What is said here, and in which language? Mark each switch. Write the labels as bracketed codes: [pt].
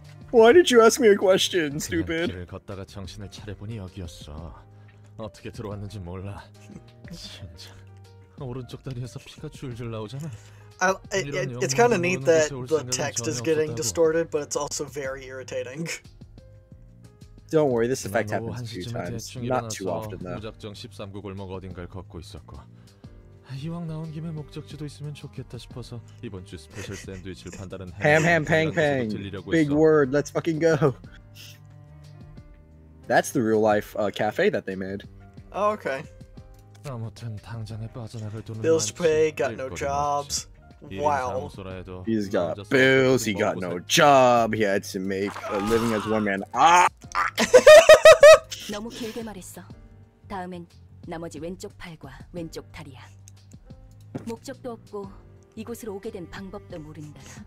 [en] Why did you ask me a question, stupid? [ko] 길을 걷다가 정신을 차려보니 여기였어. 어떻게 들어왔는지 몰라. 진짜 오른쪽 다리에서 피가 줄줄 나오잖아. [en] It's kind of neat that the text is getting distorted, but it's also very irritating. Don't worry, this effect happens a few times. Not too often, though. [ko] 무작정 13구골 먹어 어딘가를 걷고 있었고, 이왕 나온 김에 목적지도 있으면 좋겠다 싶어서 이번 주 스페셜 샌드위치를 판다는 햄 햄 팽 팽. [en] Big word. Let's fucking go. That's the real life cafe that they made. Oh, okay. [ko] 아무튼 당장에 빠져나갈 돈은 [en] Bills to pay, got no jobs. Wow. He's got bills, he got no job, he had to make a living as one man. Ah! [ko] 너무 길게 말했어. 다음엔 나머지 왼쪽 팔과 왼쪽 다리야. 목적도 없고 이곳으로 오게 된 방법도 모른다.